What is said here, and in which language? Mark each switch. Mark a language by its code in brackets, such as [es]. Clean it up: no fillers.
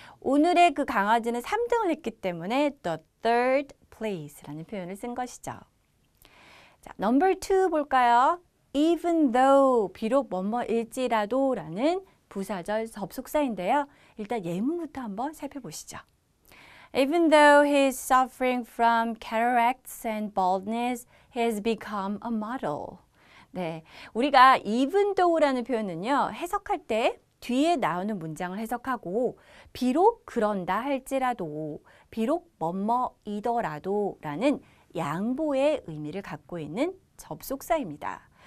[ko] 오늘의 그 강아지는 3등을 했기 때문에 the third place라는 표현을 쓴 것이죠. 자, [en] number two [ko] 볼까요? Even though, 비록 뭐뭐일지라도 라는 부사절 접속사인데요. 일단 예문부터 한번 살펴보시죠. [en] Even though he is suffering from cataracts and baldness, he has become a model. [ko] 네, 우리가 even though라는 표현은요, 해석할 때 뒤에 나오는 문장을 해석하고 비록 그런다 할지라도, 비록 뭐뭐이더라도 라는 양보의 의미를 갖고 있는 접속사입니다.